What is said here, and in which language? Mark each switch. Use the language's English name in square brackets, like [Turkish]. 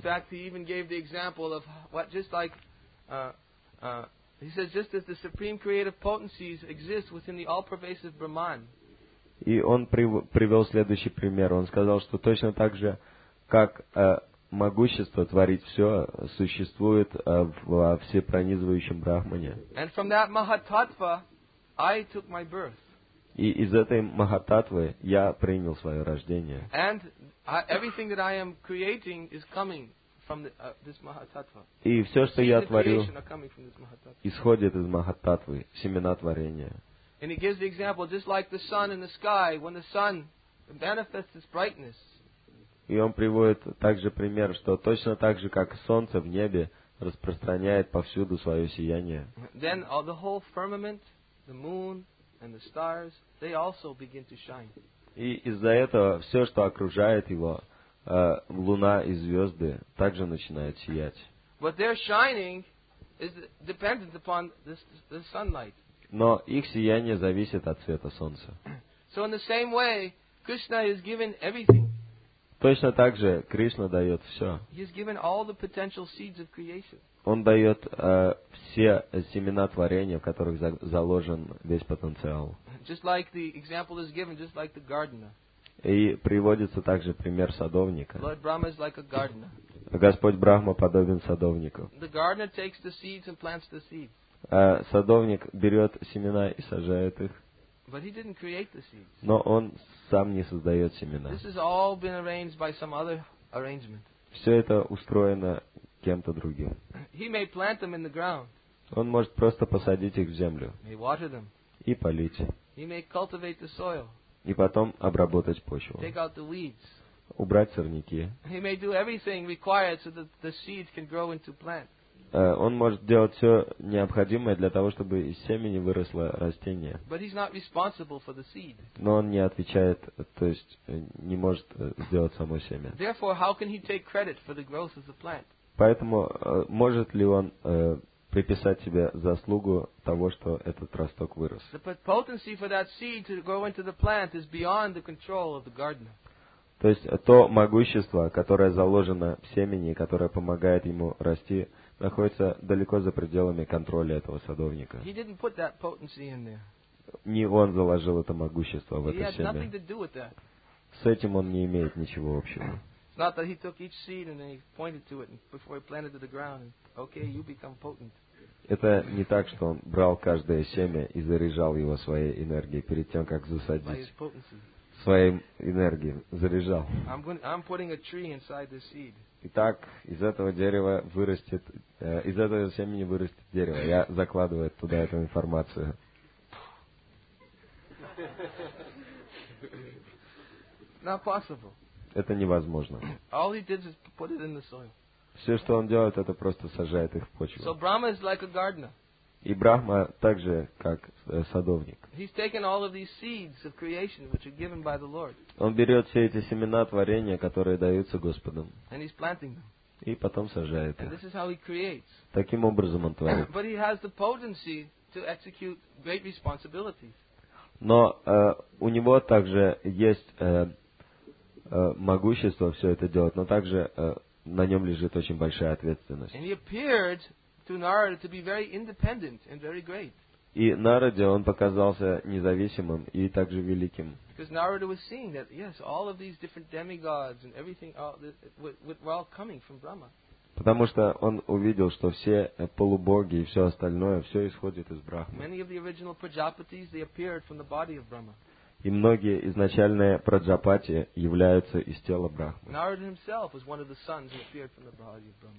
[Russian] И он привел следующий пример. Он сказал, что точно так же, как могущество творить все существует во всепронизывающем Брахмане. [English] And from that Mahatattva, I took my birth. [Russian] И из этой Махататвы я принял свое рождение. [English] And everything that I am creating is coming from this Mahatattva. [Russian] И все, что я творю, исходит из Махататвы, семена творения. [English] And he gives the example, just like the sun in the sky, when the sun manifests its brightness. [Russian] И он приводит также пример, что точно так же, как солнце в небе распространяет повсюду свое сияние, [English] then all the whole firmament, the moon and the stars, they also begin to shine. [Russian] И из-за этого все, что окружает его, луна и звезды, также начинают сиять. [English] But their shining is dependent upon the sunlight. [Russian] Но их сияние зависит от света солнца. [English] So in the same way, Krishna is given everything. [Russian] Точно так же Кришна дает все. [English] He has given all the potential seeds of creation. [Russian] Он дает все семена творения, в которых заложен весь потенциал. [English] Just like the example is given, just like the gardener. [Russian] И приводится также пример садовника. [English] Lord Brahma is like a gardener. [Russian] Господь Брахма подобен садовнику. [English] The gardener takes the seeds and plants the seeds. [Russian] Садовник берет семена и сажает их. [English] But he didn't create the seeds. [Russian] Но он сам не создает семена. [English] This has all been arranged by some other arrangement. [Russian] Все это устроено кем-то другим. [English] He may plant them in the ground. [Russian] Он может просто посадить их в землю. [English] May water them. [Russian] И полить. [English] He may cultivate the soil. [Russian] И потом обработать почву. [English] Take out the weeds. [Russian] Убрать сорняки. [English] He may do everything required so that the seeds can grow into plants. [Russian] Он может делать все необходимое для того, чтобы из семени выросло растение. [English] But he's not responsible for the seed. [Russian] Но он не отвечает, то есть не может сделать само семя. [English] Therefore, how can he take credit for the growth of the plant? [Russian] Поэтому может ли он приписать себе заслугу того, что этот росток вырос? [English] The potency for that seed to grow into the plant is beyond the control of the gardener. [Russian] То есть то могущество, которое заложено в семени, которое помогает ему расти, находится далеко за пределами контроля этого садовника. [English] He didn't put that potency in there. [Russian] Не он заложил это могущество в это семя. [English] He had nothing to do with that. [Russian] С этим он не имеет ничего общего. [English] It's not that he took each seed and then he pointed to it before he planted it to the ground. Okay, you become potent. [Russian] Это не так, что он брал каждое семя и заряжал его своей энергией перед тем, как засадить. Своей энергией заряжал. [English] I'm putting a tree inside the seed. [Russian] Итак, из этого дерева вырастет, из этого семени вырастет дерево. Я закладываю туда эту информацию. [English] Not possible. [Russian] Это невозможно. [English] All he did is put it in the soil. [Russian] Все, что он делает, это просто сажает их в почву. [English] So Brahma is like a gardener. [Russian] И Брахма также как садовник. [English] He's taken all of these seeds of creation which are given by the Lord. [Russian] Он берет все эти семена творения, которые даются Господом. [English] And he's planting them. [Russian] И потом сажает их. [English] And this is how he creates. [Russian] Таким образом он творит. [English] But he has the potency to execute great responsibilities. [Russian] Но у него также есть могущество все это делать, но также на нем лежит очень большая ответственность. [English] And he appeared to Narada to be very independent and very great. [Russian] И Нараде он показался независимым и также великим. [English] Because Narada was seeing that, yes, all of these different demigods and everything were all coming from Brahma. [Russian] Потому что он увидел, что все полубоги и все остальное, все исходит из Брахмы. И многие изначальные праджапати являются из тела Брахмы.